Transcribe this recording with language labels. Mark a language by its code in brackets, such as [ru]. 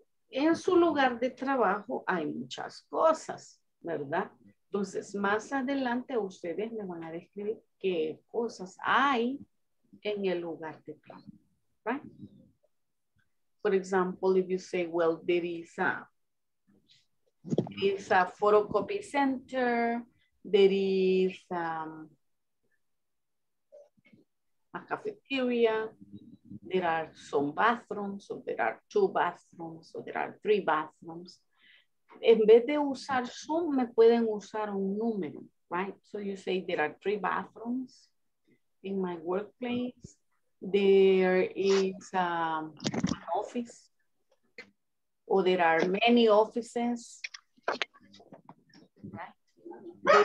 [es] En su lugar de trabajo hay muchas cosas, ¿verdad? Entonces, más adelante ustedes me van a describir qué cosas hay en el lugar de trabajo, right? [en] For example, if you say, well, there is a photocopy center, there is a cafeteria, there are some bathrooms, or there are two bathrooms, or there are three bathrooms. [es] En vez de usar some, me pueden usar un número, right? [en] So you say there are three bathrooms in my workplace. There is an office, or there are many offices, right?